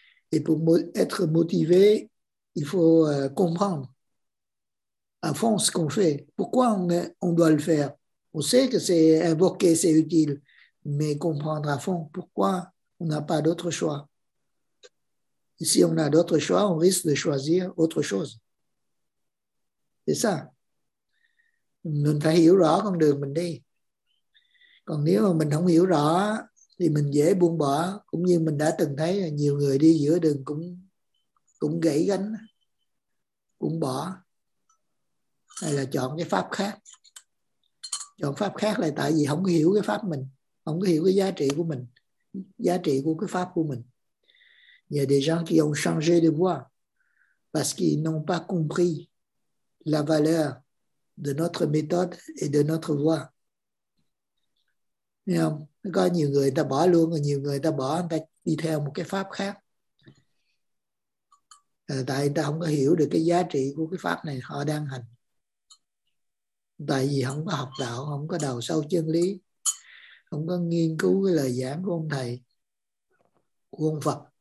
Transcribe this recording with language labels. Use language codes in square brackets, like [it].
[fr] Et pour être motivé, il faut comprendre à fond ce qu'on fait. Pourquoi on doit le faire? On sait que c'est invoqué, c'est utile. Mais comprendre à fond pourquoi on n'a pas d'autre choix. Et si on a d'autres choix, on risque de choisir autre chose. C'est ça. [vi] Mình phải hiểu rõ con đường mình đi. Còn nếu mà mình không hiểu rõ thì mình dễ buông bỏ. Cũng như mình đã từng thấy nhiều người đi giữa đường cũng gãy gánh. cũng bỏ, hay là chọn cái pháp khác. Chọn pháp khác là tại vì không hiểu cái pháp mình, không có hiểu cái giá trị của mình, giá trị của cái pháp của mình. [fr] Il y a des gens qui ont changé de voie parce qu'ils n'ont pas compris la valeur de notre méthode et de notre voie. [vi] Thấy không? Có nhiều người ta bỏ luôn, và nhiều người ta bỏ, người ta đi theo một cái pháp khác. Tại người ta không có hiểu được cái giá trị của cái pháp này họ đang hành. Tại vì không có học đạo, không có đào sâu chân lý, không có nghiên cứu cái lời giảng của ông thầy, của ông Phật.